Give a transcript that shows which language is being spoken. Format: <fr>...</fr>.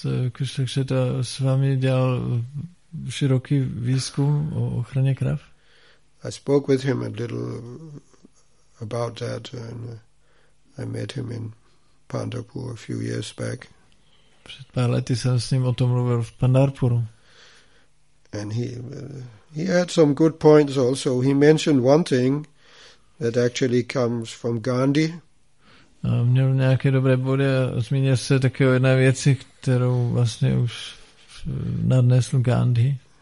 <cs>Krishna Krishna Swami dělal široký výzkum o ochraně krav.</cs> <en>I spoke with him a little about that, and I met him in Pandharpur a few years back.</en> <cs>Před pár lety jsem s ním o tom mluvil v Pandharpuru.</cs> <en>And he had some good points also. He mentioned one thing that actually comes from Gandhi.</en> <cs>A měl nějaké dobré body a zmínil se také o jedné věci, kterou vlastně už nadnesl Gandhi.</cs>